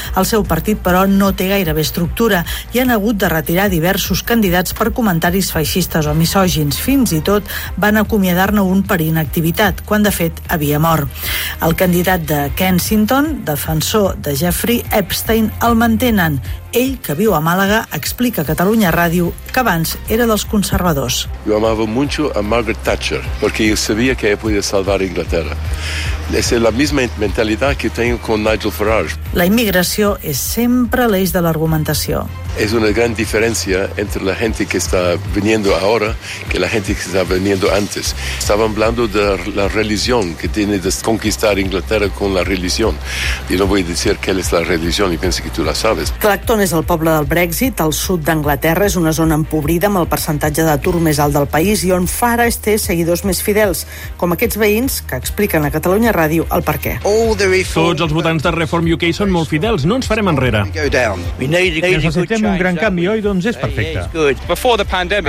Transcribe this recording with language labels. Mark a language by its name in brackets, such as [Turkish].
[Catalan] El seu partit, però, no té gairebé estructura i han hagut de retirar diversos candidats per comentaris feixistes o misògins. Fins i tot van acomiadar-ne un per inactivitat, quan de fet havia mort. El candidat de Kensington, defensor de Jeffrey Epstein, el mantenen. Ell, que viu a Màlaga, explica a Catalunya Ràdio que abans era dels conservadors. [Spanish] Yo amava mucho a Margaret Thatcher, porque yo sabía que ella podía salvar Inglaterra. Es la misma mentalidad que tengo con Nigel Farage. [Catalan] La immigració és sempre l'eix de l'argumentació. [Spanish] Es una gran diferencia entre la gente que está viniendo ahora que la gente que está viniendo antes. Estaban hablando de la religión que tiene de conquistar Inglaterra con la religión. Y no voy a decir qué es la religión, y pienso que tú la sabes. [Catalan] Clacton és el poble del Brexit, al sud d'Anglaterra. És una zona empobrida amb el percentatge d'atur més alt del país i on Farage té seguidors més fidels, com aquests veïns que expliquen a Catalunya Ràdio el perquè. Tots els votants de Reform UK són molt fidels, no ens farem enrere. Necessitem un gran canvi, oi? Doncs és perfecte.